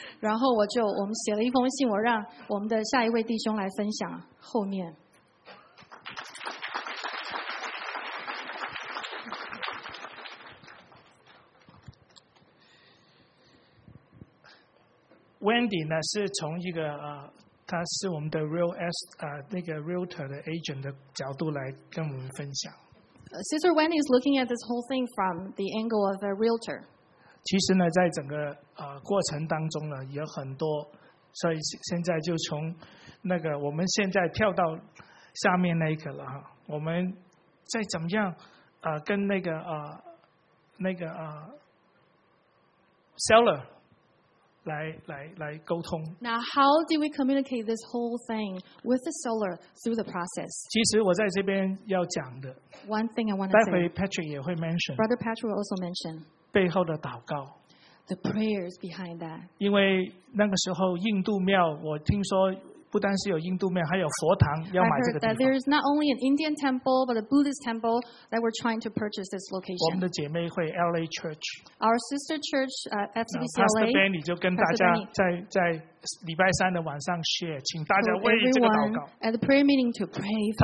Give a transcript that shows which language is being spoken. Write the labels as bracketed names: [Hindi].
[Chinese] 然后我们写了一封信，我让我们的下一位弟兄来分享后面。 Wendy 呢是从一个他是我们的 real那个 realtor 的 agent 的角度来跟我们分享。 [English] Sister Wendy is looking at this whole thing from the angle of a realtor. [Chinese] 其实呢，在整个过程当中呢，有很多，所以现在就从那个我们现在跳到下面那一个了哈。我们再怎么样跟那个seller。来沟通。 [English] Now, how do we communicate this whole thing with the seller through the process? [Chinese] 其实我在这边要讲的。 [English] One thing I want to say. [Chinese] 待会 Patrick 也会 mention. [English] Brother Patrick will also mention. [Chinese] 背后的祷告。 [English] The prayers behind that. [Chinese] 因为那个时候印度庙，我听说不单是有印度庙，还有佛堂要买这个地方。 [English] I heard that there is not only an Indian temple, but a Buddhist temple that we're trying to purchase this location. [Chinese] 我们的姐妹会 LA Church. [English] Our sister church, FCBC [Chinese] LA. Pastor Benny 就跟大家在礼拜三的晚上 share， 请大家为这个祷告。 [English] At the prayer meeting to pray for us.